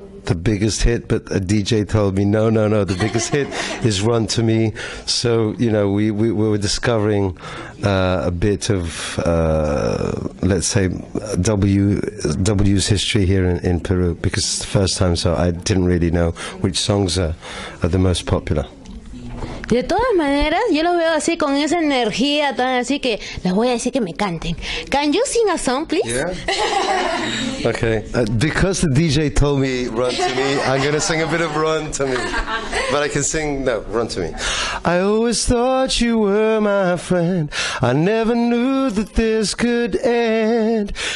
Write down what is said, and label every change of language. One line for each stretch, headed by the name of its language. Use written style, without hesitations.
English: the biggest hit, but a DJ told me, no, the biggest hit is Run to Me. So, you know, we were discovering a bit of, let's say, W's history here in Peru, because it's the first time, so I didn't really know which songs are the most popular.
Spanish: De todas maneras, yo los veo así con esa energía tan así que les voy a decir que me canten.
English: Can you sing a song, please? Yeah. Okay. Because the DJ told me Run to Me, I'm going to sing a bit of Run to Me. But I can sing, no, Run to Me. I always thought you were my friend. I never knew that this could end.